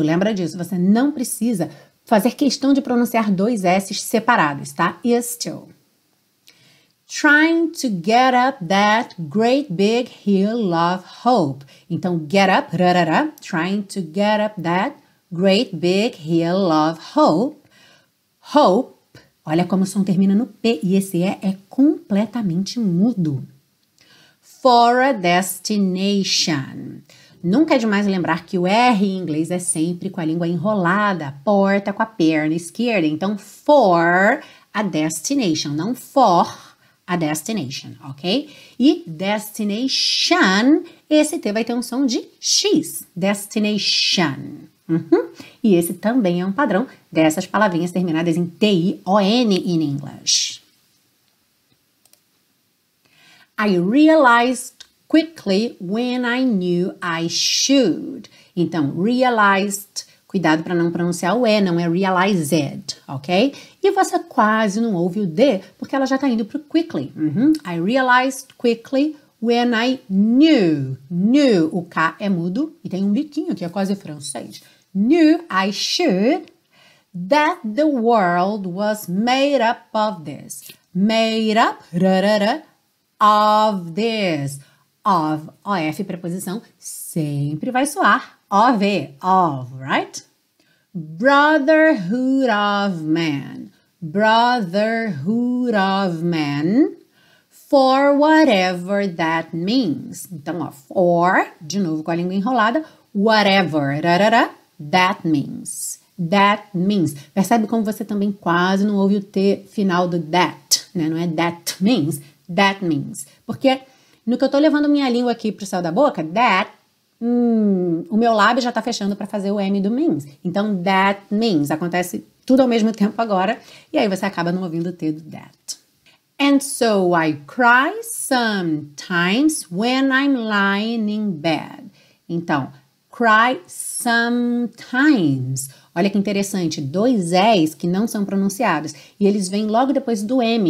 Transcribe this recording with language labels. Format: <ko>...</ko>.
<pt>Lembra disso, você não precisa fazer questão de pronunciar dois S's separados, tá?</pt> <en>Yes, still. Trying to get up that great big hill of hope. Então, get up, rarara, trying to get up that great big hill of hope.</en> <pt>Hope, olha como o som termina no P e esse E é completamente mudo.</pt> <en>For a destination.</en> <pt>Nunca é demais lembrar que o R em inglês é sempre com a língua enrolada, porta com a perna esquerda.</pt> <en>Então, for a destination,</en> <pt>não</pt> <en>for a destination, ok?</en> <pt>E destination, esse T vai ter um som de X, destination. Uhum. E esse também é um padrão dessas palavrinhas terminadas em T-I-O-N</pt> <en>in English. I realized quickly when I knew I should.</en> <pt>Então, realized, cuidado para não pronunciar o E, não é realized, ok? E você quase não ouve o D, porque ela já está indo para o quickly. Uhum.</pt> <en>I realized quickly when I knew.</en> <pt>Knew, o K é mudo e tem um biquinho que é quase francês.</pt> <en>Knew I should that the world was made up of this. Made up, rarara, of this.</en> <pt>Of, O-F, preposição, sempre vai soar, O-V, of,</pt> <en>right? Brotherhood of man, brotherhood of man, for whatever that means.</en> <pt>Então, ó, for, de novo com a língua enrolada, whatever, rarara,</pt> <en>that means, that means.</en> <pt>Percebe como você também quase não ouve o T final do that, né? Não é</pt> <en>that means,</en> <pt>porque... No que eu tô levando minha língua aqui pro céu da boca, that, o meu lábio já tá fechando para fazer o M do means. Então,</pt> <en>that means.</en> <pt>Acontece tudo ao mesmo tempo agora. E aí você acaba não ouvindo o T do that.</pt> <en>And so I cry sometimes when I'm lying in bed.</en> <pt>Então,</pt> <en>cry sometimes.</en> <pt>Olha que interessante. Dois S que não são pronunciados. E eles vêm logo depois do M.</pt>